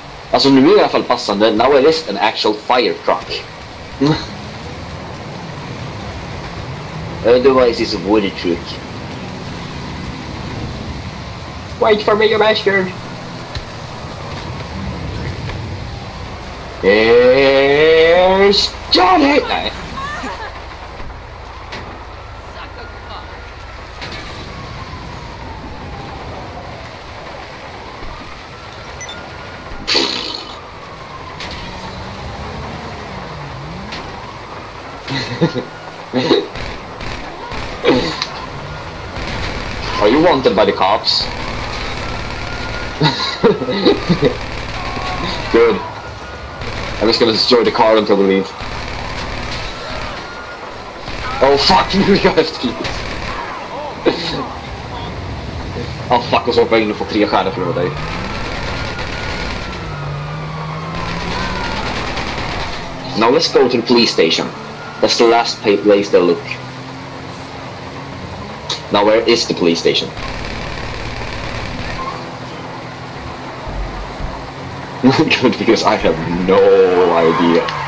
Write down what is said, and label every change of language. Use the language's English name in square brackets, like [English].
[Swedish] Alltså nu är det i alla fall passande, [English] now it is an actual fire truck. Otherwise it's a wood truck. Wait for me, you bastard! Here's Johnny! Nej. Are you wanted by the cops? Good. I'm just gonna destroy the car until we leave. Oh fuck, [Swedish] nu är jag efterlyst. [English] Oh fuck, [Swedish] och så hoppar jag in och får tre stjärnor för att vara dig. [English] Now let's go to the police station. That's the last place they'll look. Now where is the police station? Good, because I have no idea.